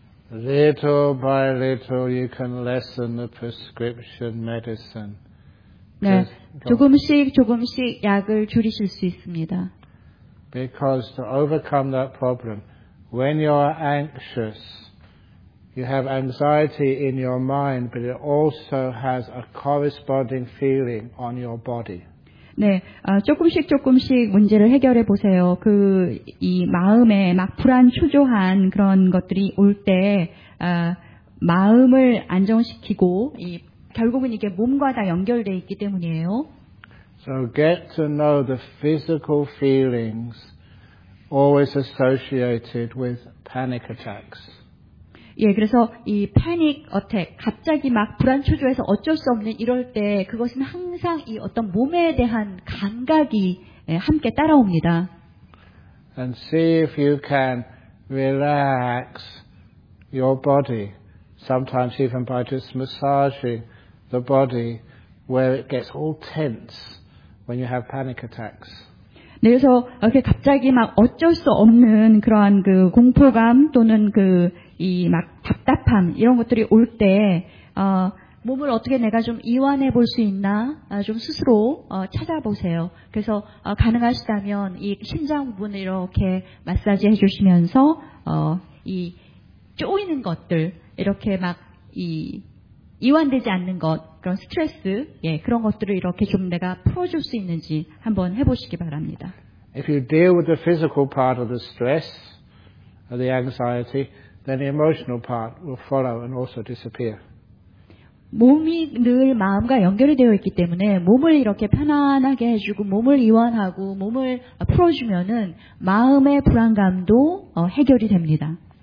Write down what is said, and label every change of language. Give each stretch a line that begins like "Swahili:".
English: Little by little, you can lessen the prescription medicine.
Korean: 네, 조금씩 조금씩 약을 줄이실 수 있습니다.
English: Because to overcome that problem, when you're anxious, you have anxiety in your mind, but it also has a corresponding feeling on your body.
Korean: 네, 조금씩 조금씩 문제를 해결해 보세요. 그 이 마음에 막 불안, 초조한 그런 것들이 올 때 마음을 안정시키고 이 결국은 이게 몸과 다 연결돼 있기 때문이에요.
English: So get to know the physical feelings always associated with panic attacks.
Korean: 예, 그래서 이 패닉 어택, 갑자기 막 불안 초조해서 어쩔 수 없는 이럴 때 그것은 항상 이 어떤 몸에 대한 감각이 함께 따라옵니다.
English: And see if you can relax your body, sometimes even by just massaging the body where it gets all tense when you have panic attacks.
Korean: 네, 그래서 이렇게 갑자기 막 어쩔 수 없는 그러한 그 공포감 또는 그 이 막 답답함 이런 것들이 올 때 몸을 어떻게 내가 좀 이완해 볼 수 있나 좀 스스로 찾아보세요. 그래서 가능하시다면 이 심장 부분을 이렇게 마사지 해주시면서 이 쪼이는 것들 이렇게 막 이 이완되지 않는 것 그런 스트레스 예 그런 것들을 이렇게 좀 내가 풀어줄 수 있는지 한번 해보시기 바랍니다.
English: If you deal with the physical part of the stress, or the anxiety. Then the emotional part will follow and also disappear.
Korean: 몸이 늘 마음과 연결이 되어 있기 때문에 몸을 이렇게 편안하게 해주고 몸을 이완하고 몸을 풀어주면은 마음의 불안감도 해결이 됩니다.